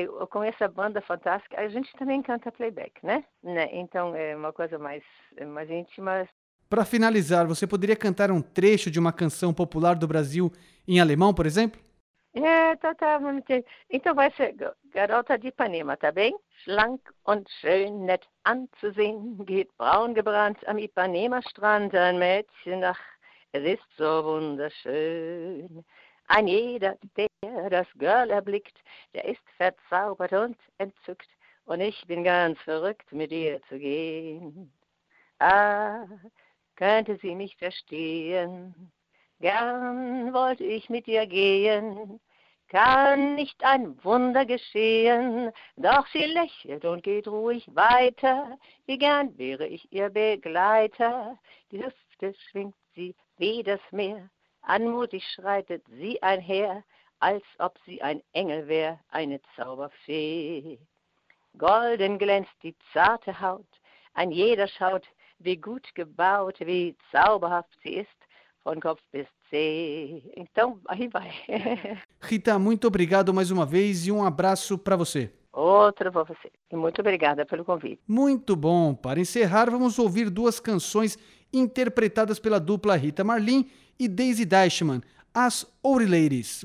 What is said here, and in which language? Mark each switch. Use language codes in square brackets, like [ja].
[pt] Com essa banda fantástica, a gente também canta playback, né? Então é uma coisa mais íntima. Para finalizar, você poderia cantar um trecho de uma canção popular do Brasil em alemão, por exemplo? É, totalmente. Então vai ser Garota de Ipanema, tá bem? [de] Schlank und schön, nett anzusehen, geht braun gebrannt am Ipanema-Strand, ein Mädchen, ach, es ist so wunderschön. Ein jeder, der das Girl erblickt, der ist verzaubert und entzückt, und ich bin ganz verrückt, mit ihr zu gehen. Ah, könnte sie mich verstehen? Gern wollte ich mit ihr gehen, kann nicht ein Wunder geschehen, doch sie lächelt und geht ruhig weiter, wie gern wäre ich ihr Begleiter. Die Hüfte schwingt sie wie das Meer, anmutig schreitet sie einher, als ob sie ein Engel wär, eine Zauberfee. Golden glänzt die zarte Haut, ein jeder schaut, wie gut gebaut, wie zauberhaft sie ist, von Kopf bis Zeh. [pt] Então, aí vai. Rita, muito obrigado mais uma vez e um abraço para você. Outro para você. E muito obrigada pelo convite. Muito bom. Para encerrar, vamos ouvir duas canções interpretadas pela dupla Rita Marlin e Daisy Dashman, As Old Ladies.